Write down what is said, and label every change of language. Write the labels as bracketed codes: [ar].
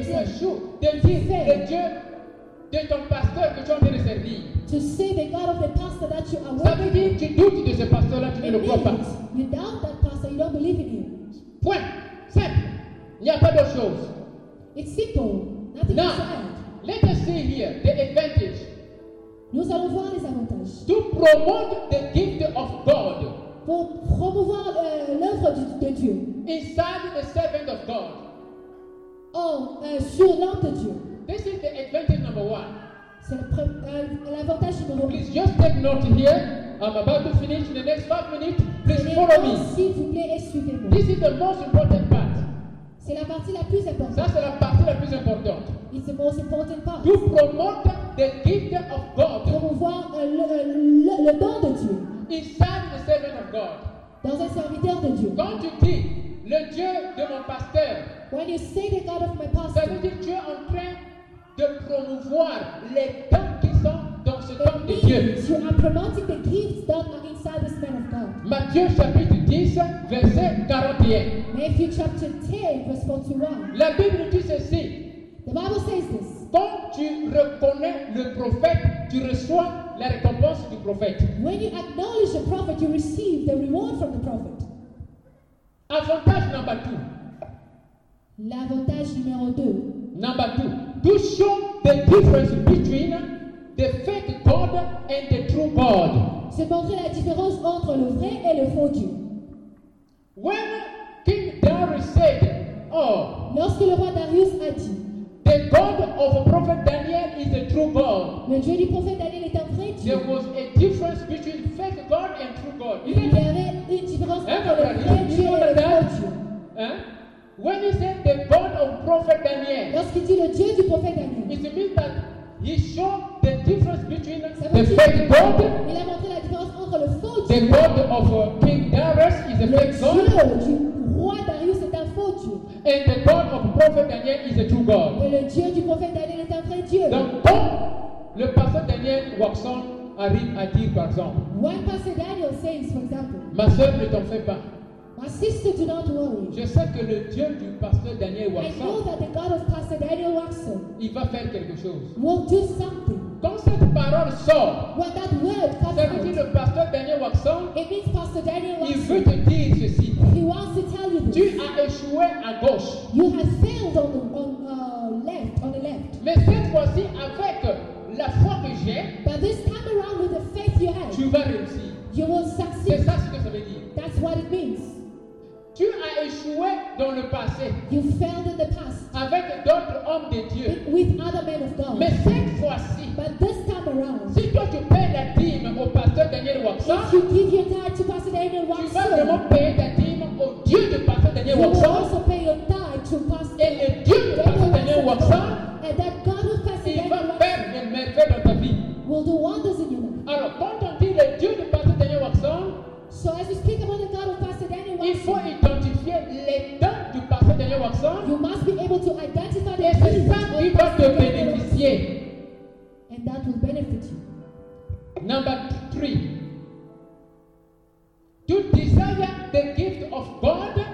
[fr] si tu échoues de dire le Dieu de ton pasteur que tu as de servir, [en] to say the God of the pastor that you are, [fr] ça veut dire tu doutes de ce pasteur-là, tu ne le crois pas. [en] You doubt that pastor, you don't believe in him. [fr] Point. Simple. Il n'y a pas d'autre chose. [en] It's simple. Nothing now, inside. Let us see here the advantage. [fr] Nous allons voir les avantages. [en] To promote the gift of God. [fr] Pour promouvoir l'œuvre de Dieu. [en] Inside the servant of God. [fr] Sur l'homme de Dieu. [en] This is the advantage number one. C'est l'avantage numéro un. Please just take note here. I'm about to finish in the next 5 minutes. Please [fr] et [en] follow me. [fr] S'il vous plaît, et suivez-moi. [en] This is the most important part. [fr] C'est la partie la plus importante. Ça, c'est la partie la plus importante. [en] It's the most important part. To promote the gift of God. [fr] Promouvoir le don de Dieu. [en] Inside the servant of God. [fr] Dans un serviteur de Dieu. Quand tu dis le Dieu de mon pasteur, [en] when you say the God of my pastor, [fr] ça veut dire tu es en train de promouvoir les dons qui sont dans ce temple de Dieu. [en] You are promoting the gifts that are inside this man of God. [fr] Matthieu chapitre 10, verset 41. [en] Matthew chapter 10, verse 41. [fr] La Bible dit ceci. [en] The Bible says this. [fr] Quand tu reconnais le prophète, tu reçois la récompense du prophète. [en] When you acknowledge the prophet, you receive the reward from the prophet. [fr] Avantage [en] number two. [fr] L'avantage numéro deux. [en] Number two. To show the difference between the fake God and the true God. [fr] C'est montrer la différence entre le vrai et le faux Dieu. [en] When King Darius said, oh, [fr] lorsque le roi Darius a dit, [en] the God of the prophet Daniel is the true God. [fr] Le Dieu du prophète Daniel est un vrai Dieu. [en] There was a difference between fake God and true God. [fr] Il y avait une différence entre le vrai Dieu et le faux Dieu. Hein? [en] When he said the God of prophet Daniel, [fr] lorsqu'il dit le Dieu du prophète Daniel, [en] it means that he showed the difference between the fake God. [fr] Il a montré la différence entre le faux Dieu. [en] The God of King Darius is a fake God. [fr] Le Dieu du roi Darius est un faux Dieu. [en] And the God of prophet Daniel is a true God. [fr] Et le Dieu du prophète Daniel est un vrai Dieu. Donc quand le pasteur Daniel Watson arrive à dire par exemple, [en] when Pastor Daniel says, for example, [fr] ma sœur, ne t'en fais pas. [en] My sister, do not worry. [fr] Je sais que le Dieu du pasteur Daniel Watson, [en] I know that the God of Pastor Daniel Watson, [fr] il va faire quelque chose. [en] Will do something. [fr] Quand cette parole sort, [en] when that word comes out, [fr] ça veut dire le pasteur Daniel Watson, [en] it means Pastor Daniel Watson, [fr] il veut te dire ceci. [en] He wants to tell you this. [fr] Tu as échoué à gauche. [en] You have failed on the left. [fr] Mais cette fois-ci, avec la foi que j'ai, [en] but this time around with the faith you have, [fr] tu vas réussir. [en] You will succeed. [fr] C'est ça ce que ça veut dire. [en] That's what it means. [fr] Tu as échoué dans le passé. [en] You failed in the past. [fr] Avec d'autres hommes de Dieu. [en] With other men of God. [fr] Mais cette fois-ci. [en] But this time around. [fr] Si toi tu payes la dîme au pasteur Daniel Watson. [en] If you give your tithe to Pastor Daniel Watson. [fr] Tu vas vraiment payer ta dîme au Dieu du pasteur Daniel [en] you [fr] Watson. [en] You will also pay your tithe to Pastor [fr] Daniel Watson. Et le Dieu du pasteur Daniel Watson. [en] And that God of Pastor Daniel Watson. [fr] Il va faire des merveilles dans ta vie. [en] Will do wonders in your life. [fr] Alors quand on dit le Dieu du pasteur Daniel Watson. [en] So as you speak about the God of Pastor Daniel Watson, [fr] il faut identifier les dons du pasteur Daniel Watson. [en] You must be able to identify the [fr] et c'est ça qui va te bénéficier. [en] And that will benefit you. Number three. To desire the gift of God.